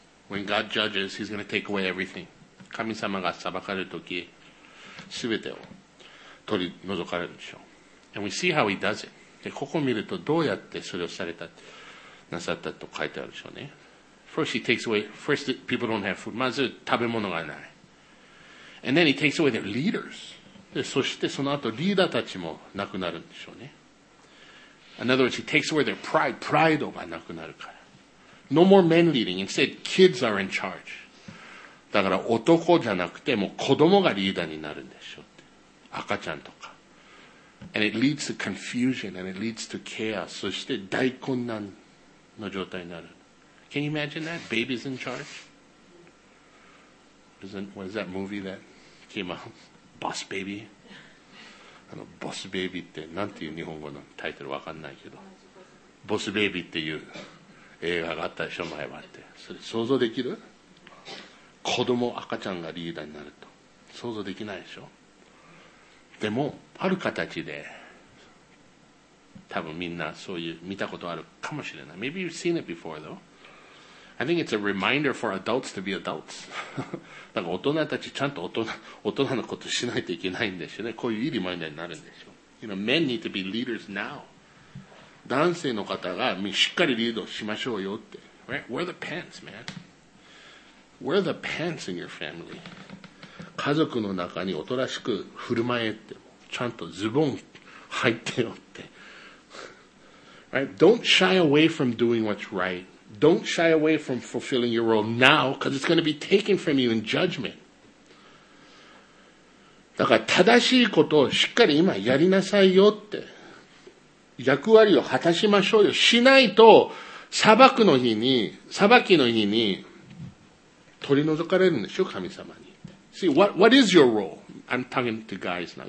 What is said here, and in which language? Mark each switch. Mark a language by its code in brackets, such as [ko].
[en] When God judges, He's going to take away everything. [ja] 神様が裁かれるとき、すべてを取り除かれるでしょう。 [en] And we see how He does it. [ja] でここを見るとどうやってそれをされたなさったと書いてあるでしょうね。 [en] First, he takes away. First, people don't have food. [ja] まず食べ物がない。 [en] And then he takes away their leaders. [ja] で、そしてその後リーダーたちもなくなるんでしょうね。 [en] In other words, he takes away their pride. [ja] Pride がなくなるから。 [en] No more men leading. Instead, kids are in charge. [ja] だから男じゃなくて、もう子供がリーダーになるんでしょうって。赤ちゃんとか。 [en] And it leads to confusion and it leads to chaos. [ja] そして大混乱の状態になる。 [en] Can you imagine that? Babies in charge? What is that movie that came out? [ja] Boss Baby? あの、Boss Baby ってなんていう日本語のタイトルわかんないけど。 Boss Baby っていう映画があったでしょ、前はって。それ想像できる？子供、赤ちゃんがリーダーになると。想像できないでしょ？でも、ある形で、多分みんなそういう見たことあるかもしれない。 [en] Maybe you've seen it before though. I think it's a reminder for adults to be adults. [ja] だから大人たちちゃんと大人のことしないといけないんでしょうね。こういういいリマインダーになるんでしょう。 [en] You know, men need to be leaders now. [ja] 男性の方がしっかりリードしましょうよって。 [en] Right? Wear the pants, man. Wear the pants in your family. [ja] 家族の中におとなしく振る舞えって。ちゃんとズボン履いてよって。 [en] Right? Don't shy away from doing what's right. Don't shy away from fulfilling your role now, because it's going to be taken from you in judgment. [ja] だから正しいことをしっかり今やりなさいよって。役割を果たしましょうよ。しないと、裁きの日に取り除かれるんでしょ、神様に。 [en] See, what is your role? I'm talking to guys now.